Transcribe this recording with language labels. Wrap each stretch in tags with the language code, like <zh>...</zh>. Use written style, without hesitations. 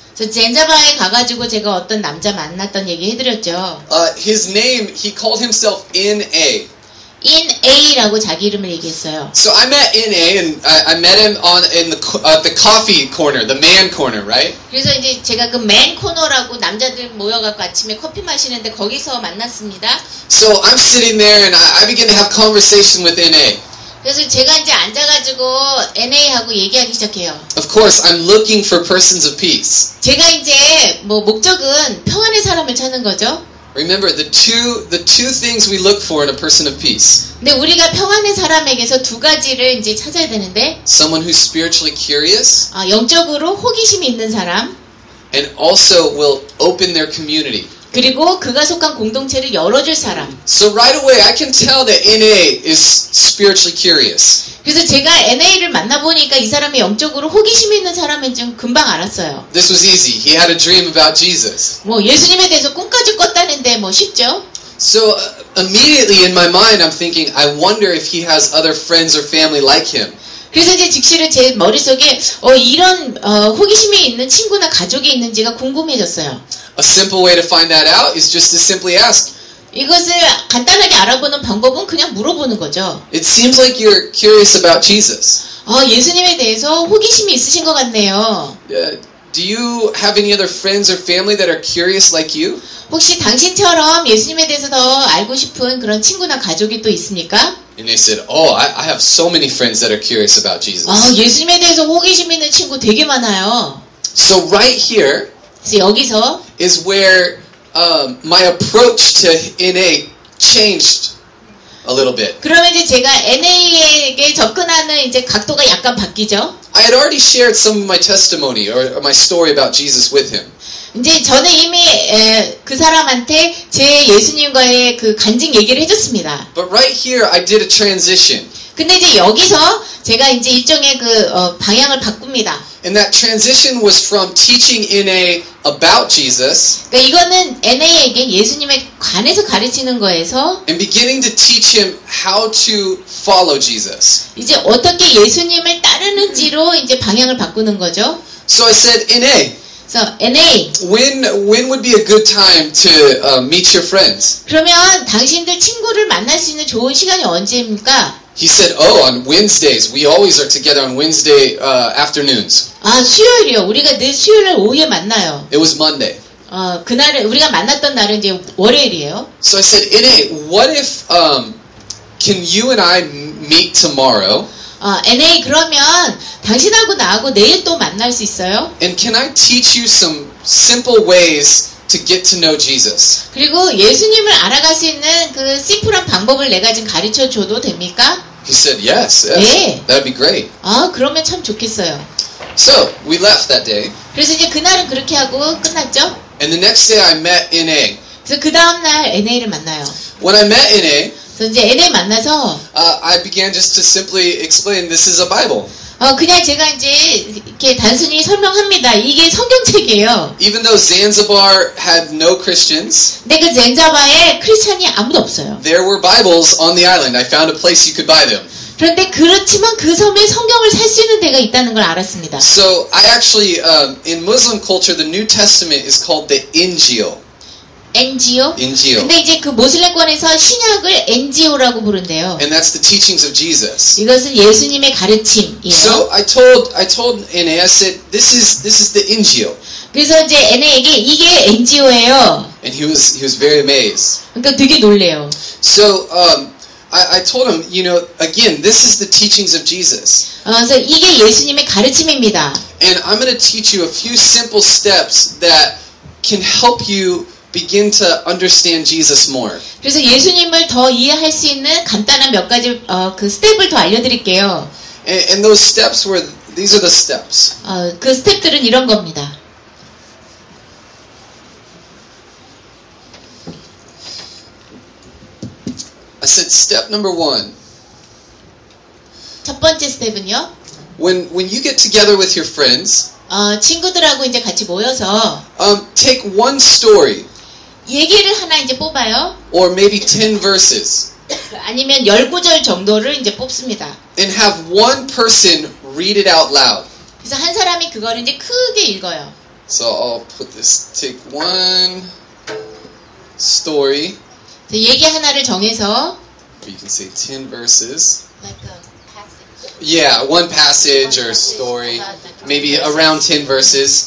<ko>저 잔자바에 가가지고 제가 어떤 남자 만났던 얘기 해드렸죠.</ko> <en>His name, he called himself N.A.</en> <ko>In A라고 자기 이름을 얘기했어요.</ko> <en>So I met In A and I met him on in the coffee corner, the man corner, right?</en> <ko>그래서 이제 제가 그</ko> <en>man corner</en> <ko>라고 남자들 모여갖고 아침에 커피 마시는데 거기서 만났습니다.</ko> <en>So I'm sitting there and I begin to have conversation with In A.</en> <ko>그래서 제가 이제 앉아가지고 NA하고 얘기하기 시작해요.</ko> <en>Of course, I'm looking for persons of peace.</en> <ko>제가 이제 뭐 목적은 평안의 사람을 찾는 거죠.</ko> <en>Remember the two things we look for in a person of peace.</en> <ko>근데 우리가 평안의 사람에게서 두 가지를 이제 찾아야 되는데.</ko> <en>Someone who's spiritually curious.</en> <ko>아, 영적으로 호기심이 있는 사람.</ko> <en>And also will open their community.</en> <ko>그리고 그가 속한 공동체를 열어줄 사람.</ko> <en>So right away I can tell that NA is spiritually curious.</en> <ko>그래서 제가 NA를 만나보니까 이 사람이 영적으로 호기심 있는 사람인 줄 금방 알았어요.</ko> <en>This was easy. He had a dream about Jesus.</en> <ko>뭐 예수님에 대해서 꿈까지 꿨다는데 뭐 쉽죠?</ko> <en>So immediately in my mind I'm thinking, I wonder if he has other friends or family like him.</en> <ko>그래서 이제 즉시로 제 머릿속에 이런 호기심이 있는 친구나 가족이 있는지가 궁금해졌어요.</ko> <en>A simple way to find that out is just to simply ask.</en> <ko>이것을 간단하게 알아보는 방법은 그냥 물어보는 거죠.</ko> <en>It seems like you're curious about Jesus.</en> <ko>예수님에 대해서 호기심이 있으신 것 같네요.</ko> <en>Do you have any other friends or family that are curious like you?</en> <ko>혹시 당신처럼 예수님에 대해서 더 알고 싶은 그런 친구나 가족이 또 있습니까?</ko> <en>And they said, "Oh, I have so many friends that are curious about Jesus."</en> <ko>예수님에 대해서 호기심 있는 친구 되게 많아요.</ko> <en>So right here,</en> <ko>그래서 여기서</ko> <en>is where my approach to NA changed a little bit.</en> <ko>그러면 이제 제가 NA에게 접근하는 이제 각도가 약간 바뀌죠.</ko> <en>I had already shared some of my testimony or my story about Jesus with him.</en> <ko>이제 저는 이미 그 사람한테 제 예수님과의 그 간증 얘기를 해줬습니다.</ko> <en>But right here I did a transition.</en> <ko>근데 이제 여기서 제가 이제 일종의 그 방향을 바꿉니다.</ko> <en>And that transition was from teaching NA about Jesus.</en> <ko>그러니까 이거는 NA에게 예수님에 관해서 가르치는 거에서</ko> <en>and beginning to teach him how to follow Jesus.</en> <ko>이제 어떻게 예수님을 따르는지로 이제 방향을 바꾸는 거죠.</ko> <en>So I said NA. So NA. When would be a good time to meet your friends?</en> <ko>그러면 당신들 친구를 만날 수 있는 좋은 시간이 언제입니까?</ko> <en>He said, "Oh, on Wednesdays. We always are together on Wednesday afternoons."</en> <ko>아, 수요일이요. 우리가 늘 수요일 오후에 만나요.</ko> <en>It was Monday.</en> <ko>그날에 우리가 만났던 날은 이제 월요일이에요.</ko> <en>So I said, "NA, what if Can you and I meet tomorrow?</en> <ko>NA 그러면 당신하고 나하고 내일 또 만날 수 있어요?</ko> <en>And can I teach you some simple ways to get to know Jesus?</en> <ko>그리고 예수님을 알아갈 수 있는 그 심플한 방법을 내가 지금 가르쳐 줘도 됩니까?</ko> <en>He said yes. Yes.</en> <ko>네.</ko> <en>That'd be great.</en> <ko>아, 그러면 참 좋겠어요.</ko> <en>So, we left that day.</en> <ko>그래서 이제 그날은 그렇게 하고 끝났죠?</ko> <en>And the next day I met NA.</en> <ko>그래서 그다음 날 NA를 만나요.</ko> <en>When I met NA,</en> <ko>이제 NA 만나서</ko> <en>I began just to simply explain this is a Bible.</en> <ko>그냥 제가 이제 이렇게 단순히 설명합니다. 이게 성경책이에요.</ko> <en>Even though Zanzibar had no Christians.</en> <ko>근데 그 잔자바에 크리스천이 아무도 없어요.</ko> <en>There were Bibles on the island. I found a place you could buy them.</en> <ko>그런데 그렇지만 그 섬에 성경을 살 수 있는 데가 있다는 걸 알았습니다.</ko> <en>So I actually in Muslim culture the New Testament is called the Injil. NGO? NGO.</en> <ko>근데 이제 그 모슬렘권에서 신약을 NGO라고 부른대요.</ko> <en>And that's the teachings of Jesus.</en> <ko>이것은 예수님의 가르침이에요.</ko> <en>So I told NA, I said this is the NGO.</en> <ko>그래서 이제 NA에게 이게 NGO예요.</ko> <en>And he was very amazed.</en> <ko>그러니까 되게 놀래요.</ko> <en>So I told him, you know, again, this is the teachings of Jesus.</en> <ko>그래서 이게 예수님의 가르침입니다.</ko> <en>And I'm going to teach you a few simple steps that can help you begin to understand Jesus more.</en> <ko>그래서 예수님을 더 이해할 수 있는 간단한 몇 가지 그 스텝을 더 알려드릴게요.</ko> <en>And those steps were these are the steps.</en> <ko>그 스텝들은 이런 겁니다.</ko> <en>I said step number one.</en> <ko>첫 번째 스텝은요.</ko> <en>When you get together with your friends.</en> <ko>친구들하고 이제 같이 모여서.</ko> <en>Take one story.</en> <ko>얘기를 하나 이제 뽑아요.</ko> <en>Or maybe 10 verses.</en> <ko>아니면 열 구절 정도를 이제 뽑습니다.</ko> <en>And have one person read it out loud.</en> <ko>그래서 한 사람이 그걸 이제 크게 읽어요.</ko> <en>So I'll put this. Take one story.</en> <ko>그 얘기 하나를 정해서.</ko> <en>You can say 10 verses. Like a passage. Yeah, one passage or story. Maybe around 10 verses.</en>